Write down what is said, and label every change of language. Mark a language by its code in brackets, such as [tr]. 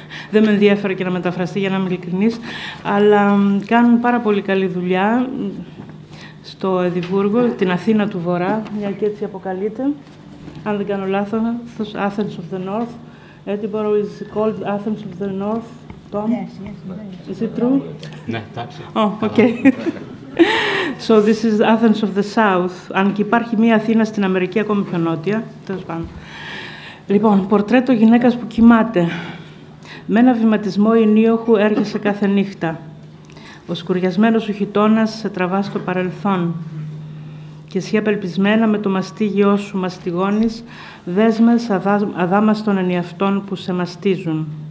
[el] Δεν με ενδιαφέρε και να μεταφραστεί, για να είμαι ειλικρινής, αλλά κάνουν πάρα πολύ καλή δουλειά στο Εδιμβούργο, την Αθήνα του Βορρά, μια και έτσι αποκαλείται. Αν δεν κάνω λάθος, [en] Athens of the North. Edinburgh is called Athens of the North, Tom. Yes. Is it true? [el] Ναι, τάξη. [en] Oh, okay. So this is Athens of the South. [el] Αν και υπάρχει μία Αθήνα στην Αμερική ακόμη πιο νότια, τέλος πάντων. Λοιπόν, πορτρέτο γυναίκας που κοιμάται. Με ένα βηματισμό η νίωχου έρχεσαι κάθε νύχτα. Ο σκουριασμένος σου χιτώνας σε τραβά στο παρελθόν. Και εσύ απελπισμένα με το μαστίγιό σου μαστιγώνεις, δέσμες αδάμαστον εν εαυτών που σε μαστίζουν.